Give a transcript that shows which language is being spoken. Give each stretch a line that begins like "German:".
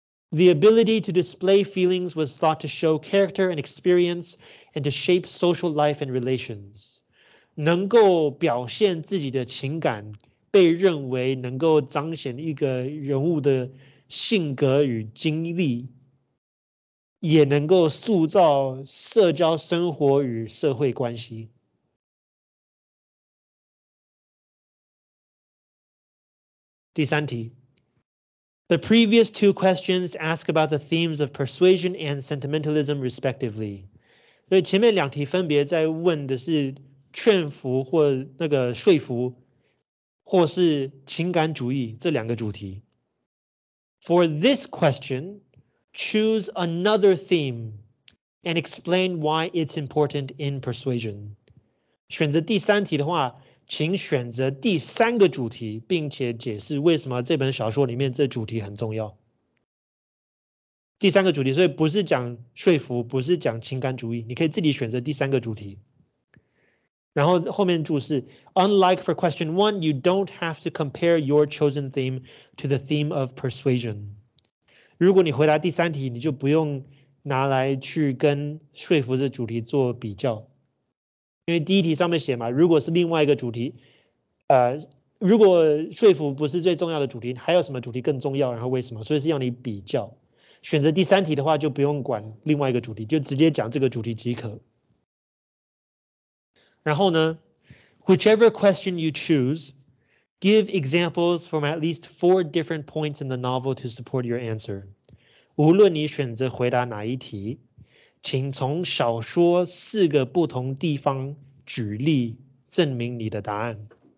English: The ability to display feelings was thought to show character and experience and to shape social life and relations.
Chinese: 能够表现自己的情感被认为能够彰显一个人物的性格与经历，也能够塑造社交生活与社会关系。第三题。
English: The previous two questions ask about the themes of persuasion and sentimentalism, respectively.
Chinese: 所以前面两题分别在问的是劝服或那个说服，或是情感主义这两个主题。 For this question, choose another theme and explain why it's important in persuasion. 选择第三题的话，请选择第三个主题，并且解释为什么这本小说里面这主题很重要。第三个主题，所以不是讲说服，不是讲情感主义，你可以自己选择第三个主题。然后后面注释
English: ,Unlike for question one, you don't have to compare your chosen theme to the theme of persuasion.
Chinese: 如果你回答第三题，你就不用拿来去跟说服这主题做比较。因为第一题上面写嘛，如果是另外一个主题，如果说服不是最重要的主题，还有什么主题更重要，然后为什么，所以是要你比较。选择第三题的话就不用管另外一个主题，就直接讲这个主题即可。然后呢，
English: whichever question you choose, give examples from at least four different points in the novel to support your answer.
Chinese: 无论你选择回答哪一题，请从小说四个不同地方举例证明你的答案。